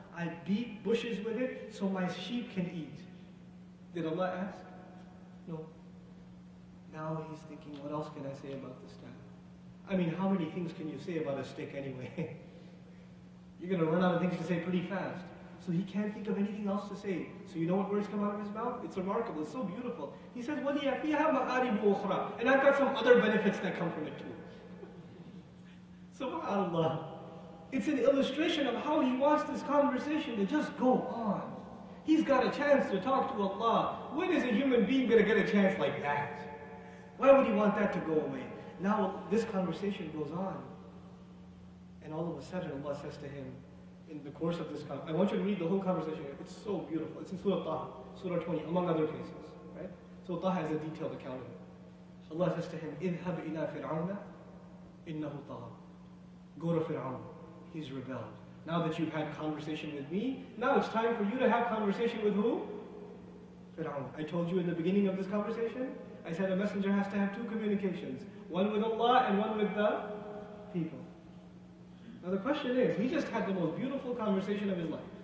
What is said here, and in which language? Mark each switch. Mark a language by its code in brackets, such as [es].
[en] I beat bushes with it so my sheep can eat. Did Allah ask? No. Now he's thinking, what else can I say about the staff? I mean, how many things can you say about a stick anyway? You're going to run out of things to say pretty fast. So he can't think of anything else to say. So you know what words come out of his mouth? It's remarkable. It's so beautiful. [ar] He says, وَلِيَ فِيهَا مَآرِبُ أُخْرَىٰ. [en] And I've got some other benefits that come from it too. SubhanAllah. It's an illustration of how he wants this conversation to just go on. He's got a chance to talk to Allah. When is a human being going to get a chance like that? Why would he want that to go away? Now this conversation goes on. And all of a sudden Allah says to him, in the course of this conversation, I want you to read the whole conversation. It's so beautiful. It's in Surah Taha, Surah 20, among other places. Right? So Taha has a detailed account of it. [ar] Allah says to him, اِذْهَبْ إِلَىٰ فِرْعَوْنَ إِنَّهُ طَغَىٰ. [en] Go to Fir'aun. He's rebelled. Now that you've had conversation with me, now it's time for you to have conversation with who? Fir'aun. I told you in the beginning of this conversation, I said a messenger has to have two communications. One with Allah and one with the people. Now the question is, he just had the most beautiful conversation of his life.